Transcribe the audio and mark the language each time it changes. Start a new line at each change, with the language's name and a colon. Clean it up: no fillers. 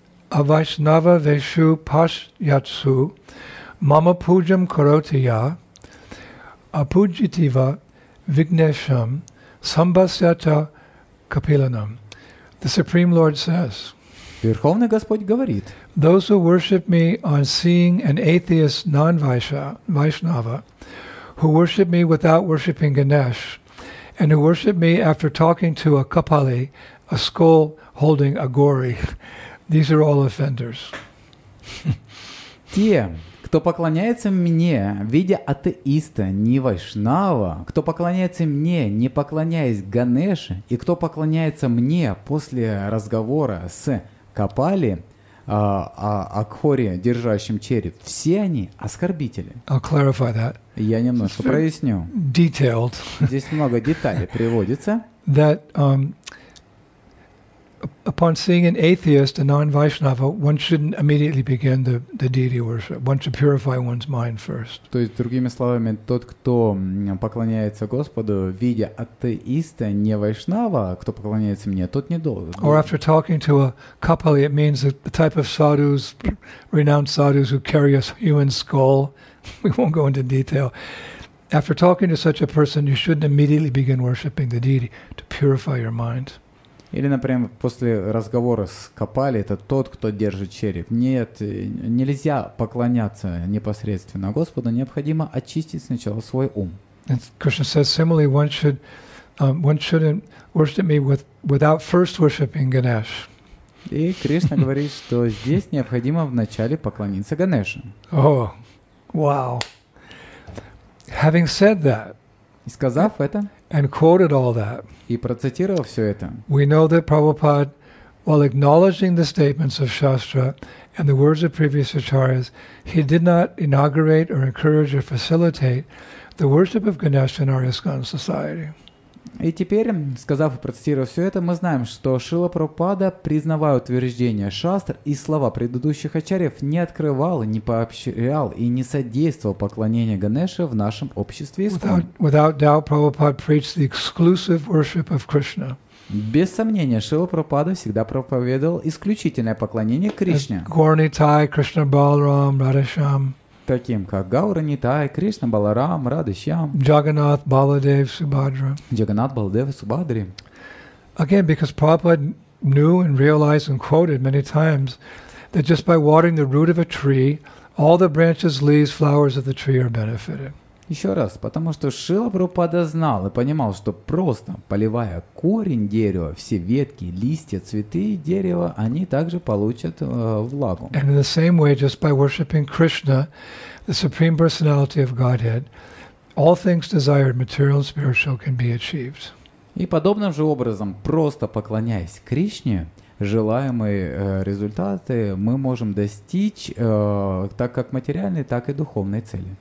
Sanskrit: Авашнава вешу пашьяцу мама пуджам короти я апуджитива вигнешам самбасята капиланам.
English: The Supreme Lord says,
Russian: Верховный Господь говорит:
English: Those who worship me on seeing an atheist non-vaisha, Vaishnava, who worship me without worshiping Ganesh, and who worship me after talking to a kapali, a skull holding a gori, these are all offenders.
Russian: Те, кто поклоняется мне, видя атеиста, не вайшнава, кто поклоняется мне, не поклоняясь Ганеше, и кто поклоняется мне после разговора с Копали, Акхори, держащим череп, все они оскорбители.
English: I'll clarify that.
Russian: Я немножко проясню.
English: Detailed.
Russian: Здесь много деталей приводится.
English: That upon seeing an atheist, a non-Vaishnava, one shouldn't immediately begin the deity worship. One should purify one's mind first.
Russian: То есть, другими словами, тот, кто поклоняется Господу, видя атеиста, не вайшнава, кто поклоняется мне, тот не должен.
English: Or after talking to a kapali, it means that the type of sadhus, renowned sadhus who carry a human skull, we won't go into detail. After talking to such a person, you shouldn't immediately begin worshiping the deity to purify your mind.
Russian: Или, например, после разговора с Капали, это тот, кто держит череп. Нет, нельзя поклоняться непосредственно Господу, необходимо очистить сначала свой ум.
English: And Krishna says similarly, one shouldn't worship me without first worshiping Ganesh.
Russian: И Кришна говорит, что здесь необходимо вначале поклониться Ганеше.
English: Oh, wow. Having said that,
Russian: и сказав это,
English: and quoted all that,
Russian: и процитировав все это,
English: we know that Prabhupada, while acknowledging the statements of Shastra and the words of previous acharyas, he did not inaugurate or encourage or facilitate the worship of Ganesh in our ISKCON society.
Russian: И теперь, сказав и процитировав все это, мы знаем, что Шрила Прабхупада, признавая утверждения шастр и слова предыдущих ачарьев, не открывал, не поощрял и не содействовал поклонению Ганеше в нашем обществе ИСКОН.
English: Without doubt, Prabhupada preached the exclusive worship of Krishna.
Russian: Без сомнения, Шрила Прабхупада всегда проповедовал исключительное поклонение Кришне. Гаурани Тай, Кришна Баларам, Радхишам. Таким как Гаурани Тай, Кришна Баларам, Радхишьям, Джаганат Баладев Субхадра. Джаганат Баладев Субхадри.
English: Again, because Prabhupada knew and realized and quoted many times that just by watering the root of a tree, all the branches, leaves, flowers of the tree are benefited.
Russian: Еще раз, потому что Шрила Прабхупада знал и понимал, что просто поливая корень дерева, все ветки, листья, цветы и дерево, они также получат влагу.
English: And in the same way, just by worshiping Krishna, the Supreme Personality of Godhead, all things desired, material and spiritual, can be achieved.
Russian: И подобным же образом, просто поклоняясь Кришне, желаемые результаты мы можем достичь так как материальной, так и духовной цели.